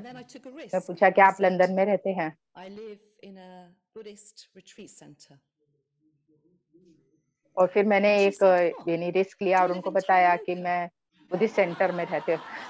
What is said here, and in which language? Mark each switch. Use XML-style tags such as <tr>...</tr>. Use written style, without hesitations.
<hi>मैं पूछा कि आप लंदन में रहते हैं.</hi> <en>In a Buddhist retreat center.</en> <hi>और फिर मैंने एक यानी रिस्क लिया और उनको बताया कि मैं बुद्धिस्ट सेंटर में रहते हो.</hi>